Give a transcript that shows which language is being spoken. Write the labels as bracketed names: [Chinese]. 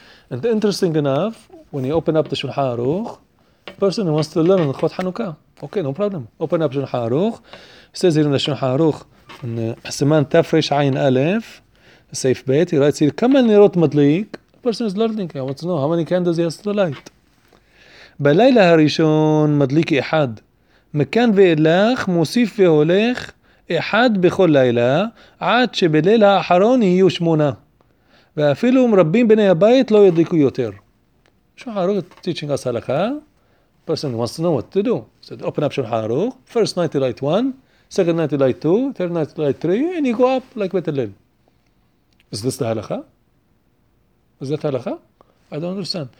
[English] And interesting enough, when you open up the Shulchan Aruch, the person who wants to learn on Chot Hanukkah, okay, no problem. Open up Shulchan Aruch. It says here in the Shulchan Aruch, in Siman Tafresh Ayin Aleph, safe bet, he writes here, [Hebrew] Kamal Nirot Madlik. [English] The person is learning. He wants to know how many candles he has to light. [Hebrew] בלילה הראשון מדליק אחד, מכאן ואילך מוסיף והולך אחד בכל לילה, עד שבליל האחרון יהיו 8. ואפילו מרבים בני הבית לא ידליקו יותר. [English] שולחן ערוך, teaching us הלכה, person wants to know what to do. So open up שולחן ערוך, first night you light 1, second night you light two, third night you light three, and you go up like Bet Hillel. Is this the halakha? Is that halakha? I don't understand.